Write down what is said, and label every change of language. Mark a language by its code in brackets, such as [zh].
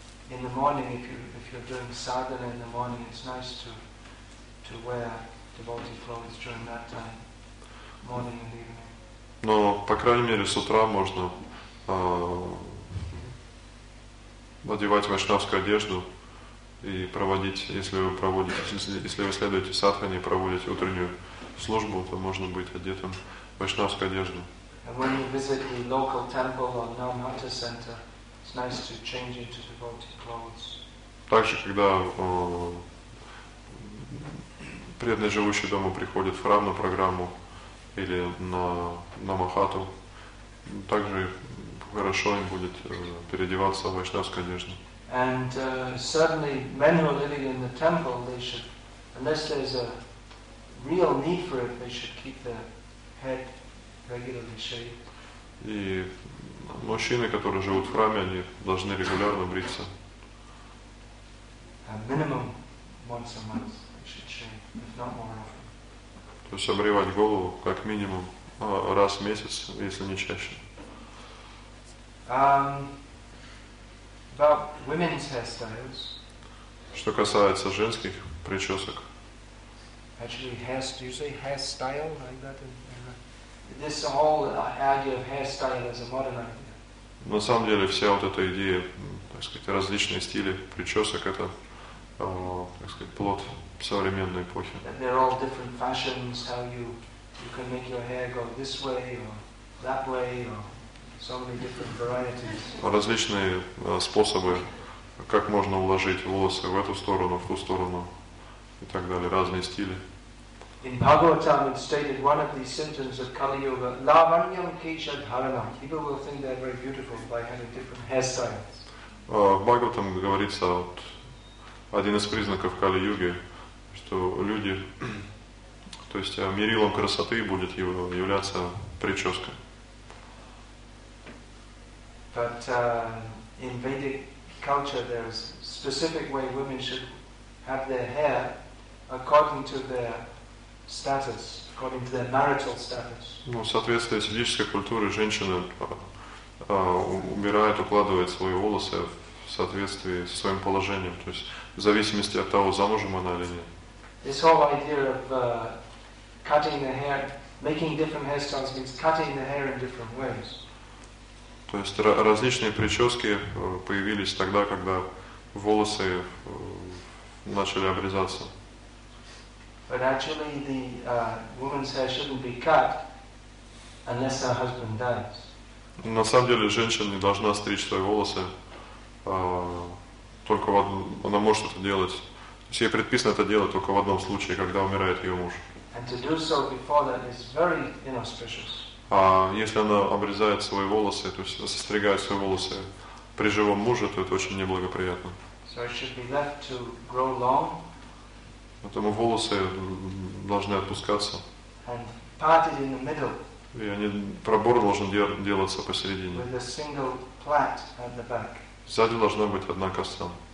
[en] In the morning, if you're doing sadhana in the morning, it's nice to wear devotee clothes during that time, morning and evening. [ru] Но по крайней мере с утра можно надевать вайшнавскую одежду и проводить, если вы следуете садхане и проводите утреннюю службу, то можно быть одетым в вайшнавскую одежду. [en] And when you visit the local temple or Naumata center, it's nice to change into devotee clothes. [ru] Также, когда преданные, живущие дома, приходят в храм на программу или на махату, также хорошо им будет переодеваться в вайшнавскую одежду. [en] And certainly, men who are living in the temple, they should, unless there's a real need for it, they should keep their head regularly shaved. [ru] И мужчины, которые живут в храме, они должны регулярно бриться. [en] A minimum once a month they should shave, if not more often. [ru] То есть обривать голову как минимум раз в месяц, если не чаще. [en] About women's hairstyles. [ru] Что касается женских причесок. [en] Actually, do you say hairstyle like that? This whole idea of hairstyle is a modern idea. [ru] На самом деле вся вот эта идея, так сказать, различные стили причесок, это, так сказать, плод современной эпохи. [en] That they're all different fashions, how you can make your hair go this way or that way or. So many different varieties. [ru] Различные способы, как можно уложить волосы в эту сторону, в ту сторону и так далее, разные стили. [en] In Bhagavatam it's stated one of these symptoms of Kali Yuga, [sa] Lavanyam Kesha Dharanam. [en] People will think they're very beautiful by having different hairstyles. [ru] В Бхагаватам говорится один из признаков Кали Юги, что люди, то есть мерилом красоты будет являться прическа. [en] But in Vedic culture, there's a specific way women should have their hair according to their status, according to their marital status. [ru] Ну, в соответствии с ведической культурой, женщина убирает, укладывает свои волосы в соответствии со своим положением, то есть в зависимости от того, замужем она или нет. [en] This whole idea of cutting the hair, making different hairstyles means cutting the hair in different ways. [ru] То есть различные прически появились тогда, когда волосы начали обрезаться. [en] But actually the woman's hair shouldn't be cut unless her husband dies. [ru] На самом деле женщина не должна стричь свои волосы, только она может это делать. То есть ей предписано это делать только в одном случае, когда умирает ее муж. [en] And to do so before that is very inauspicious. [ru] А если она обрезает свои волосы, то есть состригает свои волосы при живом муже, то это очень неблагоприятно. [en] So it should be left to grow long. [ru] Поэтому волосы должны отпускаться. [en] And parted in the middle. [ru] И они, пробор должен делаться посередине. [en] With a single plait at the back. [ru] Сзади должна быть одна коса.